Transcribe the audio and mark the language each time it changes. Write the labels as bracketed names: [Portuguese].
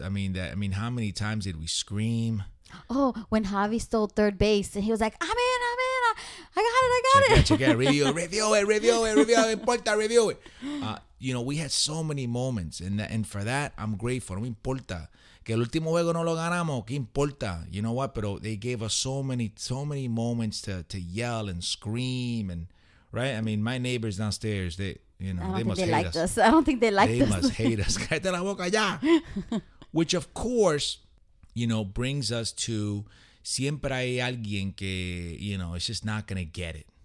[English] I mean, how many times did we scream? Oh, when Javi stole third base and he was like, I'm in. I got it. Check it. Review it. Review it. You know, we had so many moments. And for that, I'm grateful. [Spanish] No me importa. Que el último juego no lo ganamos, ¿qué importa? [English] You know what? But they gave us so many moments to yell and scream and, right? I mean, my neighbors downstairs, they must hate us. I don't think they liked us. They must hate us. [Spanish] Cállate la boca ya. [English] Which, of course, you know, brings us to [Spanish] siempre hay alguien que, [English] you know, it's just not going to get it.